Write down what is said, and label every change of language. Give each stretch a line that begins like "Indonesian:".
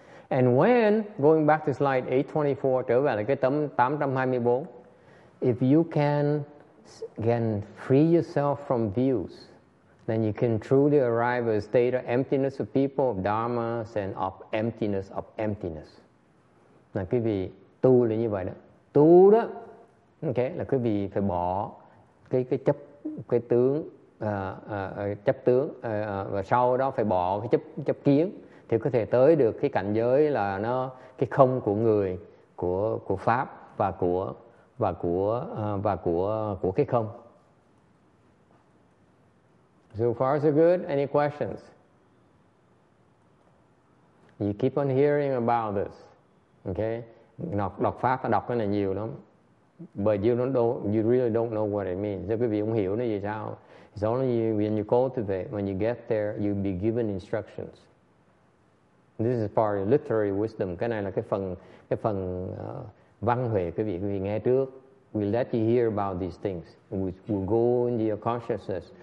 English: And when, going back to slide 824,
Vietnamese: trở về là cái tấm 824,
English: if you can free yourself from views, then you can truly arrive at a state of emptiness of people, of dharmas, and of emptiness.
Vietnamese: Là quý vị tu là như vậy đó. Tu đó, okay, là quý vị phải bỏ cái chấp tướng, và sau đó phải bỏ cái chấp kiến, thì có thể tới được cái cảnh giới là nó cái không của người, của pháp và của cái không.
English: So far so good. Any questions? You keep on hearing about this. Okay?
Vietnamese: Đọc pháp đọc cái này nhiều lắm.
English: But you really don't know what it means.
Vietnamese: Thế quý vị không hiểu nó gì sao?
English: It's only you, when you cultivate, when you get there, you'll be given instructions. This is part of literary wisdom.
Vietnamese: Cái này là cái phần văn huệ quý vị nghe trước.
English: We let you hear about these things. We go into your consciousness.